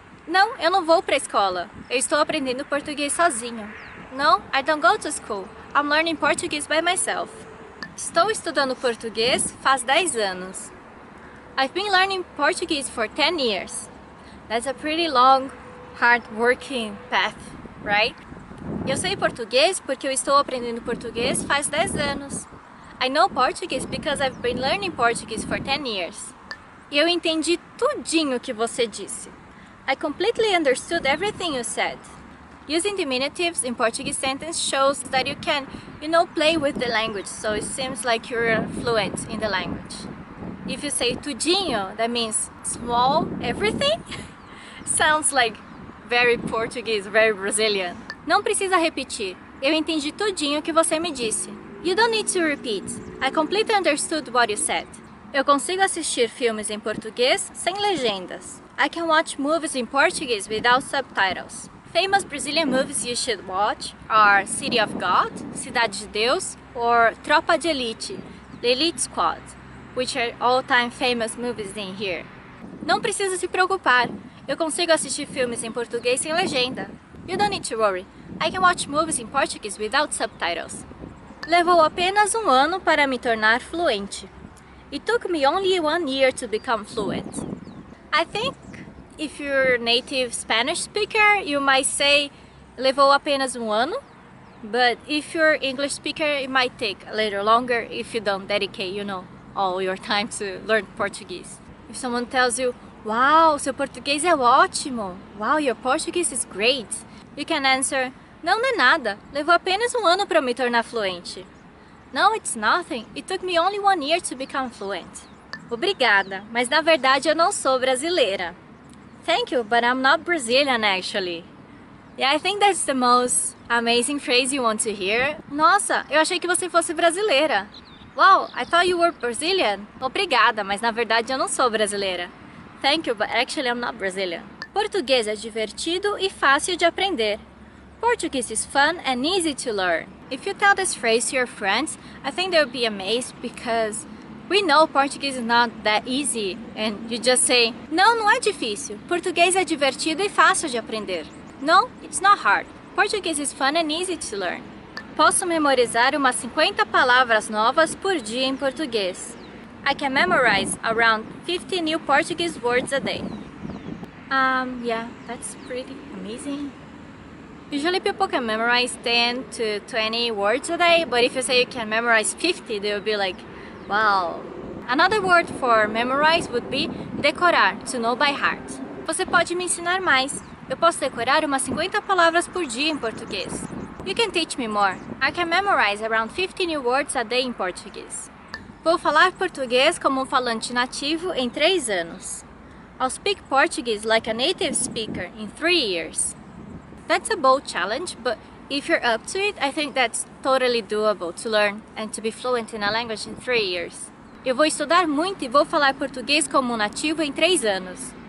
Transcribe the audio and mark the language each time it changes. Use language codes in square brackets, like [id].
[pt] Não, eu não vou para a escola. Eu estou aprendendo português sozinho. [en] No, I don't go to school. I'm learning Portuguese by myself. [pt] Estou estudando português faz 10 anos. [en] I've been learning Portuguese for 10 years. That's a pretty long, hard-working path, right? Eu sei português porque eu estou aprendendo português faz 10 anos. I know Portuguese because I've been learning Portuguese for 10 years. [pt] Eu entendi tudinho que você disse. [en] I completely understood everything you said. Using diminutives in Portuguese sentence shows that you can, you know, play with the language, so it seems like you're fluent in the language. If you say tudinho, that means small everything. Sounds like very Portuguese, very Brazilian. [pt] Não precisa repetir. Eu entendi tudinho que você me disse. [en] You don't need to repeat. I completely understood what you said. [pt] Eu consigo assistir filmes em português sem legendas. [en] I can watch movies in Portuguese without subtitles. Famous Brazilian movies you should watch are City of God, Cidade de Deus, or Tropa de Elite, The Elite Squad, which are all-time famous movies in here. [pt] Não precisa se preocupar. Eu consigo assistir filmes em português sem legenda. [en] You don't need to worry. I can watch movies in Portuguese without subtitles. [pt] Levou apenas um ano para me tornar fluente. [en] It took me only 1 year to become fluent. I think if you're a native Spanish speaker, you might say [pt] levou apenas um ano. [en] But if you're an English speaker, it might take a little longer if you don't dedicate, you know, all your time to learn Portuguese. If someone tells you, wow, [pt] seu português é ótimo. [en] Wow, your Portuguese is great. You can answer, [pt] não, não é nada. Levou apenas um ano para me tornar fluente. [en] No, it's nothing. It took me only 1 year to become fluent. [pt] Obrigada, mas na verdade eu não sou brasileira. [en] Thank you, but I'm not Brazilian, actually. Yeah, I think that's the most amazing phrase you want to hear. [pt] Nossa, eu achei que você fosse brasileira. [en] Wow, I thought you were Brazilian. [pt] Obrigada, mas na verdade eu não sou brasileira. [en] Thank you, but actually I'm not Brazilian. [pt] Português é divertido e fácil de aprender. [en] Portuguese is fun and easy to learn. If you tell this phrase to your friends, I think they'll be amazed because we know Portuguese is not that easy. And you just say, [pt] não, não é difícil. Português é divertido e fácil de aprender. [en] No, it's not hard. Portuguese is fun and easy to learn. [pt] Posso memorizar umas 50 palavras novas por dia em português. [en] I can memorize around 50 new Portuguese words a day. Yeah, that's pretty amazing. Usually people can memorize 10 to 20 words a day, but if you say you can memorize 50, they'll be like, wow. Another word for memorize would be decorar, to know by heart. [pt] Você pode me ensinar mais. Eu posso decorar umas 50 palavras por dia em português. [en] You can teach me more. I can memorize around 50 new words a day in Portuguese. [pt] Vou falar português como falante nativo em 3 anos. [en] I'll speak Portuguese like a native speaker in 3 years. That's a bold challenge, but if you're up to it, I think that's totally doable to learn and to be fluent in a language in 3 years. [pt] Eu vou estudar muito e vou falar português como nativo em 3 anos.